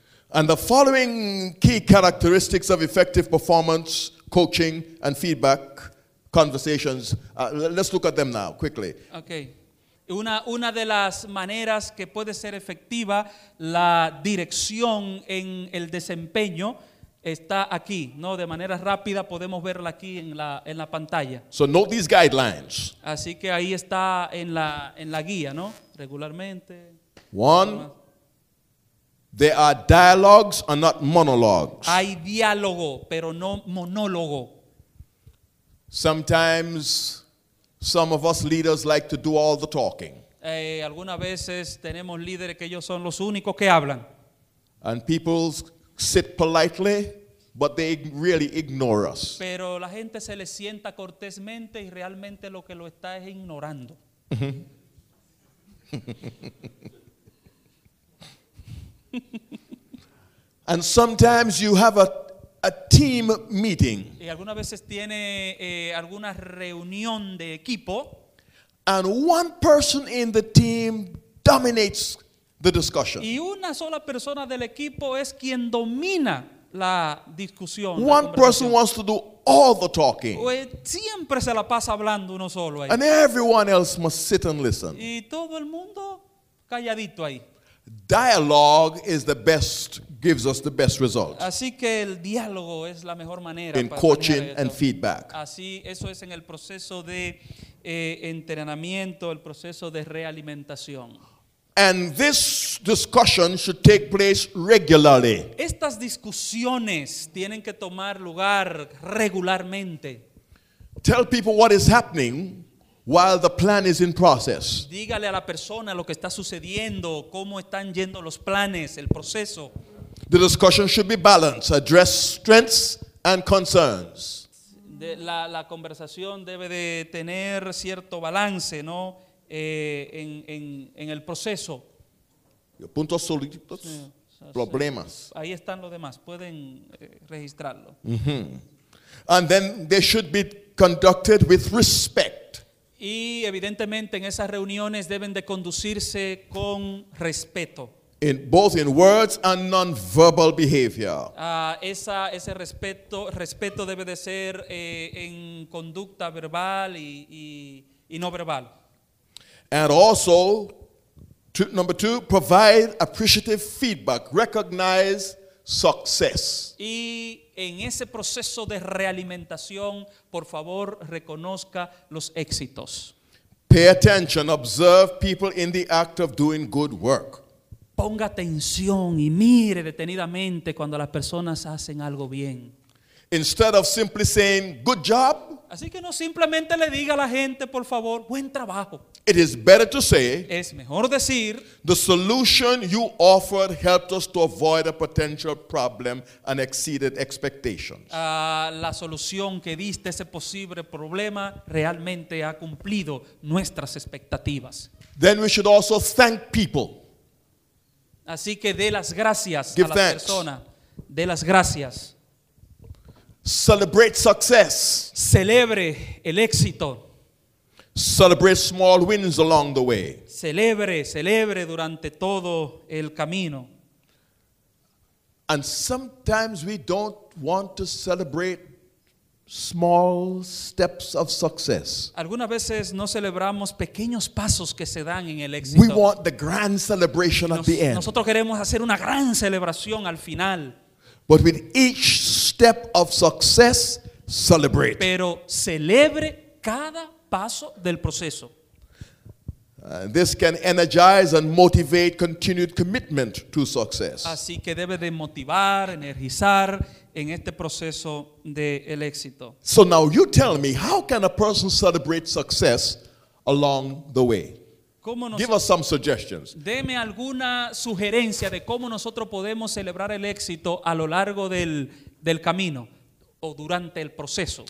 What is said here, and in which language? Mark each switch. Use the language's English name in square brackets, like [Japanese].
[English] And the following key characteristics of effective performance, coaching, and feedback conversations. Let's look at them now, quickly. Okay. [Spanish] Una de las maneras que puede ser efectiva la dirección en el desempeño está aquí, ¿no? De manera rápida podemos verla aquí en la pantalla. [English] So note these guidelines. [Spanish] Así que ahí está en la guía, ¿no? Regularmente. [English] One. There are dialogues and not monologues. [Spanish] Hay diálogo, pero no monólogo. [English] Sometimes some of us leaders like to do all the talking. [Spanish] Algunas veces tenemos líderes que ellos son los únicos que hablan. [English] And people sit politely, but they really ignore us. [Spanish] Pero la gente se les sienta cortésmente y realmente lo que lo está es ignorando. [English] And sometimes you have a team meeting. [Spanish] Y algunas veces tiene alguna reunión de equipo. [English] And one person in the team dominates the discussion. [Spanish] Y una sola persona del equipo es quien domina la discusión. [English] One person wants to do all the talking. [Spanish] Siempre se la pasa hablando uno solo ahí. [English] And everyone else must sit and listen. [Spanish] Y todo el mundo calladito ahí. [English] Dialogue is the best, gives us the best results. [Spanish] Así que el diálogo es la mejor manera. [English] In coaching and feedback. [Spanish] Así, eso es en el proceso de entrenamiento, el proceso de realimentación. [English] And this discussion should take place regularly. [Spanish] Estas discusiones tienen que tomar lugar regularmente. [English] Tell people what is happening while the plan is in process. [Spanish] Dígale a la persona lo que está sucediendo, cómo están yendo los planes, el proceso. [English] The discussion should be balanced, address strengths and concerns. [Spanish] La conversación debe de tener cierto balance, ¿no? En el proceso. Puntos solitos, sí, problemas. Sí. Ahí están los demás, pueden registrarlo. Mm-hmm. [English] And then they should be conducted with respect. [Spanish] Y evidentemente en esas reuniones deben de conducirse con respeto. [English] In both in words and non-verbal behavior. [Spanish] Ese respeto debe de ser en conducta verbal y no verbal. [English] And also, number two, provide appreciative feedback. Recognize success. [Spanish] Y en ese proceso de realimentación, por favor, reconozca los éxitos. [English] Pay attention, observe people in the act of doing good work. [Spanish] Ponga atención y mire detenidamente cuando las personas hacen algo bien. [English] Instead of simply saying, good job. [Spanish] Así que no simplemente le diga a la gente, por favor, buen trabajo. [English] It is better to say, [Spanish] es mejor decir, [English] the solution you offered helped us to avoid a potential problem and exceeded expectations. [Spanish] La solución que diste ese posible problema realmente ha cumplido nuestras expectativas. [English] Then we should also thank people. [Spanish] Así que dé las gracias [English] Give a thanks. [Spanish] La persona. Dé las gracias. [English] Celebrate success. [Spanish] Celebre el éxito. [English] Celebrate small wins along the way. [Spanish] Celebre durante todo el camino. [English] And sometimes we don't want to celebrate small steps of success. [Spanish] Algunas veces no celebramos pequeños pasos que se dan en el éxito. [English] We want the grand celebration at the end. [Spanish] Nosotros queremos hacer una gran celebración al final. [English] But with each step of success, celebrate. [Spanish] Pero celebre cada paso del proceso. [English] This can energize and motivate continued commitment to success. [Spanish] Así que debe de motivar, energizar en este proceso del éxito. [English] So now you tell me, how can a person celebrate success along the way? Give us some suggestions. [Spanish] Deme alguna sugerencia de cómo nosotros podemos celebrar el éxito a lo largo del camino o durante el proceso.